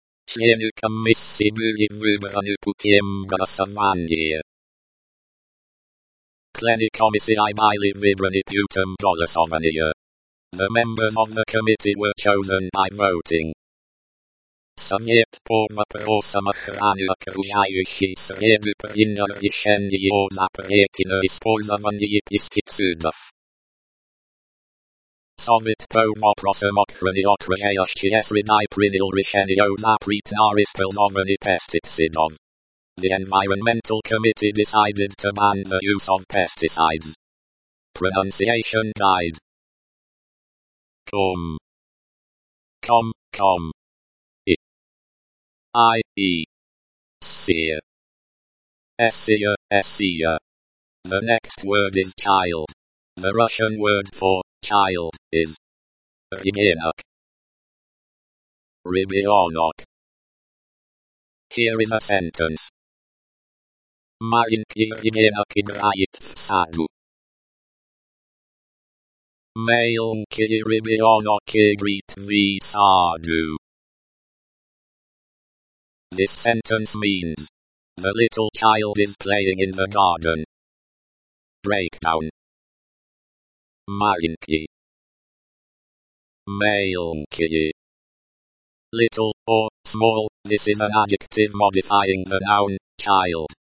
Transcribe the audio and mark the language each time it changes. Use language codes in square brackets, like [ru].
[ru] Члены комиссии были выбраны путем голосования. Члены комиссии были выбраны путем голосования. [en] The members of the committee were chosen by voting. [ru] Совет по вопросам охраны окружающей среды принял решение о запрете на использование пестицидов. Совет по вопросам охраны окружающей среды принял решение о запрете на использование пестицидов. [en] The Environmental Committee decided to ban the use of pesticides. Pronunciation Guide. Com. Com, com. I.E. Sia. Sia, Sia. The next word is child. The Russian word for child is Ribionok. Ribionok. Here is a sentence. [ru] Маленький ребенок играет в саду. Маленький ребенок играет в саду. [en] This sentence means, the little child is playing in the garden. Breakdown. Маленький. [ru] Маленький. [en] Little, or small, this is an adjective modifying the noun, child.